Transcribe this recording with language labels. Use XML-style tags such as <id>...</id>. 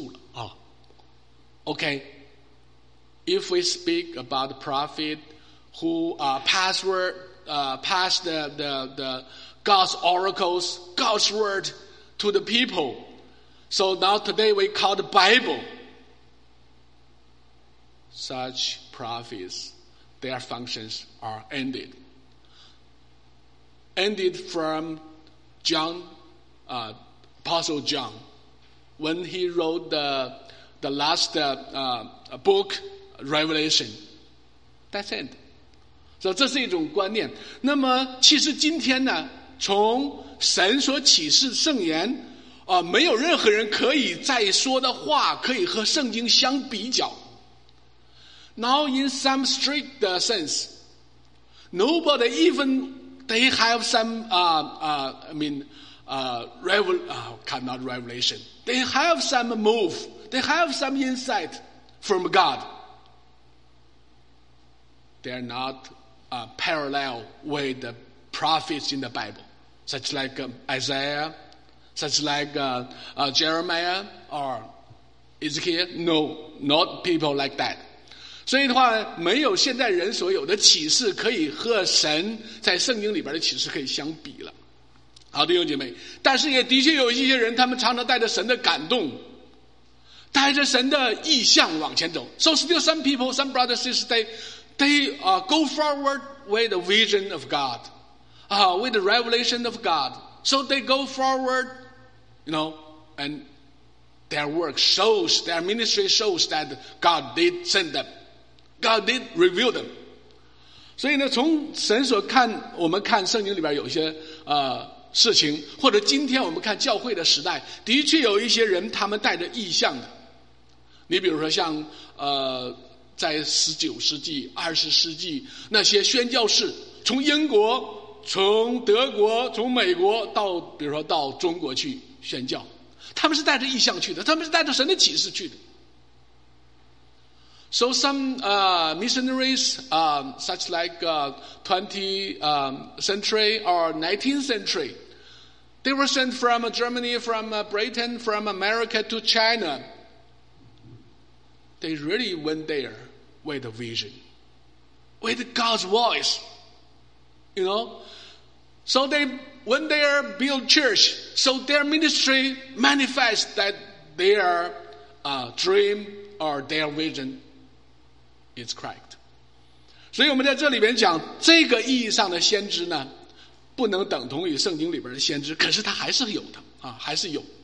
<zh>那这样子的先知的确已经不存在了，已经结束了。到使徒约翰说写完启示录为止，已经结束了啊。OK,</zh> <en>if we speak about the prophet who passed the God's oracles, God's word to the people, so now today we call the Bible. Such prophets, their functions are ended. Ended from John, Apostle John, when he wrote the last book, Revelation. That's end.</en> <zh>So 这是一种观念。那么其实今天呢, 从神所启示圣言, 没有任何人可以再说的话, 可以和圣经相比较。</zh> <en>Now in some strict sense, nobody, even they have some, they have some move, they have some insight from God. They are not parallel with the prophets in the Bible, such like Isaiah, such like Jeremiah or Ezekiel. No, not people like that.</en> <zh>所以的话, 没有现在人所有的启示, 可以和神在圣经里边的启示可以相比了。好的弟兄姐妹, 但是也的确有一些人, 他们常常带着神的感动, 带着神的意向往前走。</zh> <en>So still some people, some brothers and sisters, they go forward with the vision of God, with the revelation of God. So they go forward, you know, and their work shows, their ministry shows that God did send them. God did reveal them.</en> <zh>所以呢, 从神所看, 我们看圣经里边有一些, 事情, 或者今天我们看教会的时代, 的确有一些人, 他们带着意象的。你比如说像, 在19世纪, 20世纪, 那些宣教士, 从英国, 从德国, 从美国, 到, 比如说到中国去宣教。他们是带着意象去的，他们是带着神的启示去的。</zh> <en>So some missionaries, such like 20th century or 19th century, they were sent from Germany, from Britain, from America to China. They really went there with a vision, with God's voice, you know. So they went there, built church. So their ministry manifests that their dream or their vision. It's correct.</en> <zh>所以我们在这里边讲这个意义上的先知呢，不能等同于圣经里边的先知，可是他还是有的啊，还是有。</zh>